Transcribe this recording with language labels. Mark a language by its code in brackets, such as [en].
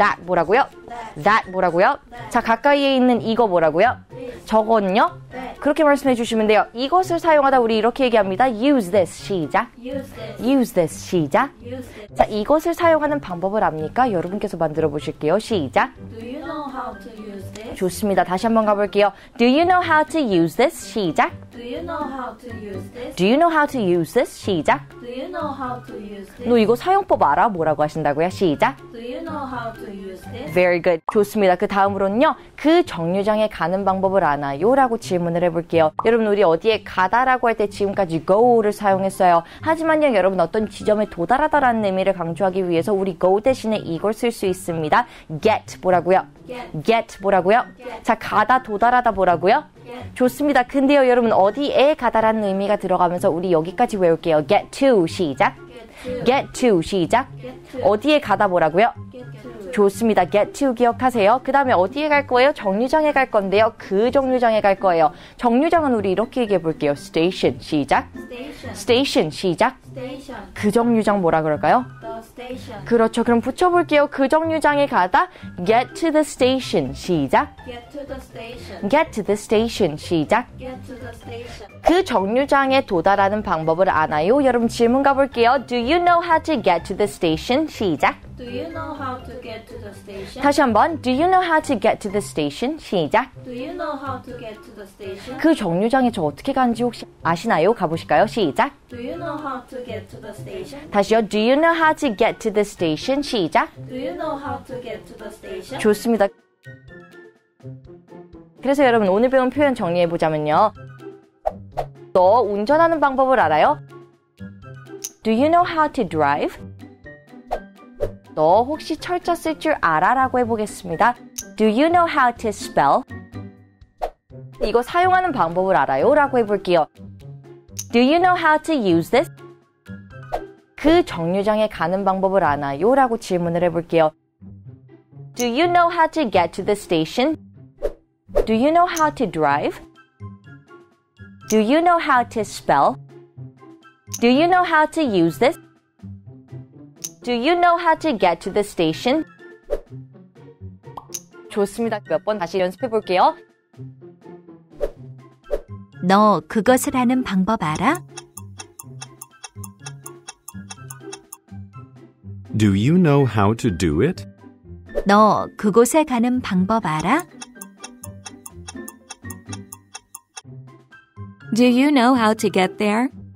[ko] That 뭐라고요? [en] That [ko] 뭐라고요? [en] That. [ko] 자, 가까이에 있는 이거 뭐라고요? [en] This. [ko] 저건요? [en] That. [ko] 그렇게 말씀해 주시면 돼요. 이것을 사용하다 우리 이렇게 얘기합니다. [en] Use this [ko] 시작. [en] Use this, use this [ko] 시작. [en] Use this. [ko] 자, 이것을 사용하는 방법을 압니까? 여러분께서 만들어 보실게요. 시작. [en] Do you know how to use this? [ko] 좋습니다. 다시 한번 가볼게요. [en] Do you know how to use this? [ko] 시작. [en] Do you know how to use this? Do you know how to use this? [ko] 시작. [en] Do you know how to use this? [ko] 너 이거 사용법 알아? 뭐라고 하신다고요? 시작. [en] Do you know how to use this? Very good. [ko] 좋습니다. 그 다음으로는요, 그 정류장에 가는 방법을 아나요? 라고 질문을 해볼게요. 여러분, 우리 어디에 가다라고 할 때 지금까지 go를 사용했어요. 하지만요, 여러분, 어떤 지점에 도달하다라는 의미를 강조하기 위해서 우리 go 대신에 이걸 쓸 수 있습니다. get 뭐라고요? [en] Get [ko] 뭐라고요? [en] Get. [ko] 자, 가다, 도달하다 뭐라고요? [en] Get. [ko] 좋습니다. 근데요, 여러분, 어디에 가다라는 의미가 들어가면서 우리 여기까지 외울게요. [en] Get to [ko] 시작. [en] Get to, get to [ko] 시작. [en] Get to. [ko] 어디에 가다 뭐라고요? [en] Get to. [ko] 좋습니다. [en] Get to [ko] 기억하세요. 그 다음에 어디에 갈 거예요? 정류장에 갈 건데요. 그 정류장에 갈 거예요. 정류장은 우리 이렇게 얘기해 볼게요. [en] Station [ko] 시작. [en] Station, station [ko] 시작. [en] Station. [ko] 그 정류장 뭐라 그럴까요? [en] Station. [ko] 그렇죠. 그럼 붙여볼게요. 그 정류장에 가다. [en] Get to the station. [ko] 시작. [en] Get to the station. Get to the station. [ko] 시작. [en] Get to the station. [ko] 그 정류장에 도달하는 방법을 아나요? 여러분, 질문 가볼게요. [en] Do you know how to get to the station? [ko] 시작. [en] Do you know how to get to the station? [ko] 다시 한번. [en] Do you know how to get to the station? [ko] 시작. [en] Do you know how to get to the station? [ko] 그 정류장에 저 어떻게 가는지 혹시 아시나요? 가보실까요? 시작. [en] Do you know how to get to the station? [ko] 다시요. [en] Do you know how to get to the station? [ko] 시작. [en] Do you know how to get to the station? [ko] 좋습니다. 그래서 여러분, 오늘 배운 표현 정리해보자면요. 너 운전하는 방법을 알아요? [en] Do you know how to drive? [ko] 너 혹시 철자 쓸 줄 알아? 라고 해보겠습니다. [en] Do you know how to spell? [ko] 이거 사용하는 방법을 알아요? 라고 해볼게요. [en] Do you know how to use this? [ko] 그 정류장에 가는 방법을 아나요? 라고 질문을 해볼게요. [en] Do you know how to get to the station? Do you know how to drive? Do you know how to spell? Do you know how to use this? Do you know how to get to the station? [ko] 좋습니다. 몇 번 다시 연습해 볼게요. 너 그것을 하는 방법 알아? [en] Do you know how to do it? [ko] 너 그곳에 가는 방법 알아? [en] Do you know how to get there?